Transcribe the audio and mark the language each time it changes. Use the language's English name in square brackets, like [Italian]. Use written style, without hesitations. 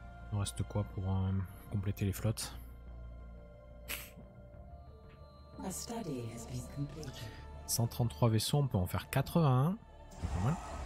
[French] Il nous reste quoi pour compléter les flottes? [English] A study has been completed. [French] 133 vaisseaux, on peut en faire 81. C'est pas mal.